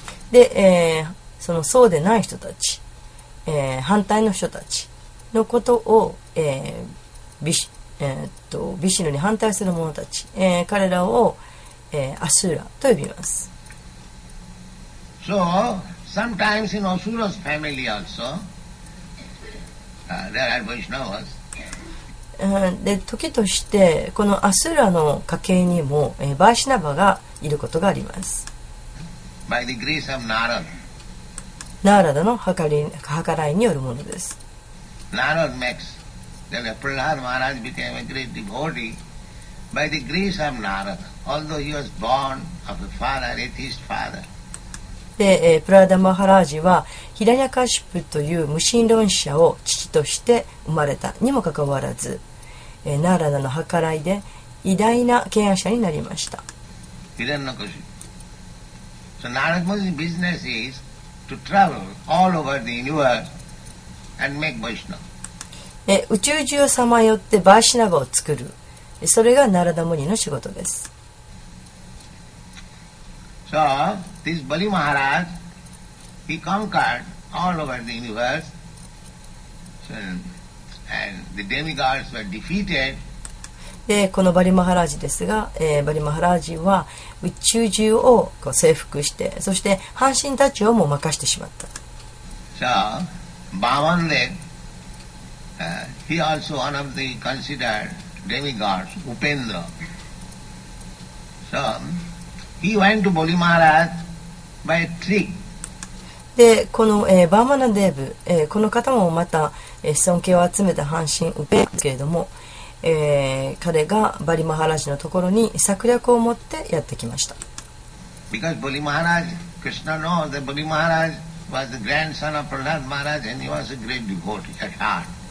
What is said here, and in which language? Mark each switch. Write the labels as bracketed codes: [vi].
[ja] で、そのそうでない人たち、反対の人たちのことを、ビシヌに反対する者たち、彼らを、アスーラと呼びます。 [en] So sometimes in Asura's family also, there are Vaishnavas. [ja] で、時としてこのアスーラの家系にも、バイシナバがいることがあります。 [en] By the grace of Narada. [ja] ナーラダの計らいによるものです。 [en] Narada makes Then Prahlad Maharaj became a great devotee by the grace of Narada, although he was born of a father, atheist father. [ja] で、プラダマハラージはヒラニャカシュプという無神論者を父として生まれたにもかかわらず、ナーラダの計らいで偉大な敬愛者になりました。ヒラニャカシュプ。 [en] So Narada's business is to travel all over the universe and make Vaishnava. [ja] 宇宙中をさまよってバイシナバを作る、それがナラダモニの仕事です。 [en] So this Bali Maharaj, he conquered all over the universe, and the demigods were defeated. [ja] で、このバリマハラージですが、バリマハラージは宇宙中をこう征服して、そして半身たちをも任してしまった。 [en] So バーマンレッhe also one of the considered demigods, Upendra. So, he went to Bali Maharaj by a trick. [ja] で、この、バーマナデーブ、この方もまた、尊敬を集めた半身ウペンですけれども、彼がバリマハラジのところに策略を持ってやってきました。 [en] Because Bali Maharaj, Krishna knows that Bali Maharaj was the grandson of Prahlad Maharaj and he was a great devotee at heart.